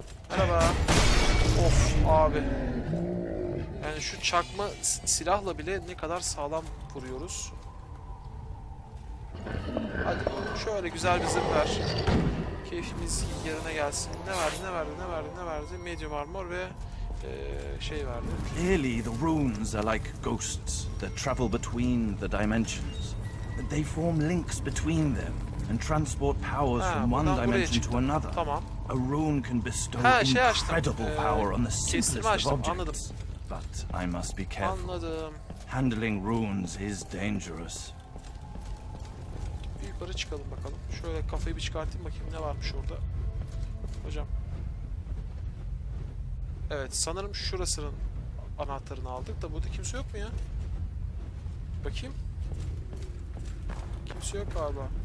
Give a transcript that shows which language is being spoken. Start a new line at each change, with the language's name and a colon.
Turkish: Merhaba. Of abi. Yani şu çakma silahla bile ne kadar sağlam vuruyoruz. Hadi şöyle güzel bir zırh ver. Keyfimiz yerine gelsin. Ne verdi, ne verdi, ne verdi, ne verdi? Medium armor ve şey verdi.
English: Clearly the runes are like ghosts that travel between the dimensions. They form links between them and transport powers from one dimension to another.
Turkish: Tamam.
English: A rune can bestow incredible power on the simplest of objects.
Turkish: Anladım.
English: But I must be careful.
Turkish: Anladım.
English: Handling runes is dangerous.
Turkish: Bir yukarı çıkalım bakalım. Şöyle kafayı bir çıkartayım bakayım ne varmış orada. Hocam. Evet, sanırım şurasının anahtarını aldık da burada kimse yok mu ya? Bakayım. Kimse yok galiba.